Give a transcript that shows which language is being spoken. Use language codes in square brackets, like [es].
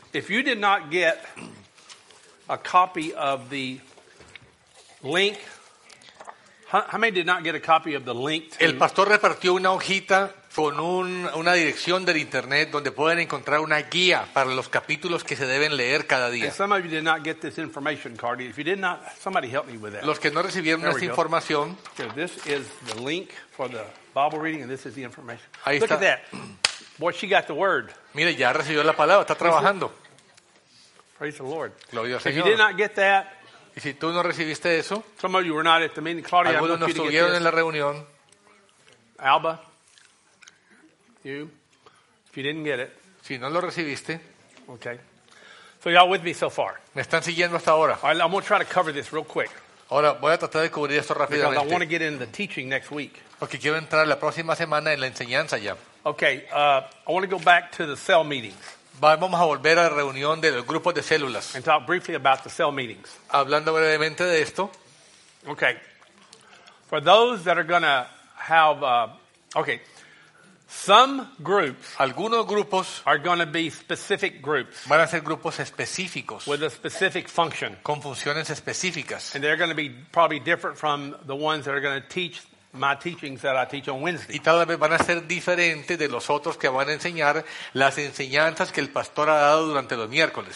[en] If you did not get a copy of the link, how many did not get a copy of the link? [es] El pastor repartió una hojita con una dirección del internet donde pueden encontrar una guía para los capítulos que se deben leer cada día. [en] And some of you did not get this information, Cardi. If you did not, somebody help me with that. [es] Los que no recibieron esta información. [en] So this is the link for the Bible reading, and this is the information. [es] Ahí [en] Look [es] está. [en] At that. Boy, she got the word. [es] Mire, ya recibió la palabra, está trabajando. [en] Praise the Lord. [es] Gloria al Señor. [en] If you did not get that, [es] y si tú no recibiste eso, [en] some of you were not at the meeting. Claudia, [es] algunos no estuvieron en la reunión. [en] Alba, you, if you didn't get it. [es] Si no lo recibiste. [en] Okay. So y'all with me so far. [es] Me están siguiendo hasta ahora. [en] All right, I'm going to try to cover this real quick. [es] Ahora voy a tratar de cubrir esto rápidamente. [en] Because I want to get into the teaching next week. [es] Porque quiero entrar la próxima semana en la enseñanza ya. [en] Okay, I want to go back to the cell meetings. [es] Vamos a volver a la reunión de los grupos de células. [en] And talk briefly about the cell meetings. [es] Hablando brevemente de esto. [en] Okay. For those that are going to have, some groups. [es] Algunos grupos. [en] Are going to be specific groups. [es] Van a ser grupos específicos. [en] With a specific function. [es] Con funciones específicas. [en] And they're going to be probably different from the ones that are going to teach my teachings that I teach on Wednesday. [es] Y tal vez van a ser diferentes de los otros que van a enseñar las enseñanzas que el pastor ha dado durante los miércoles.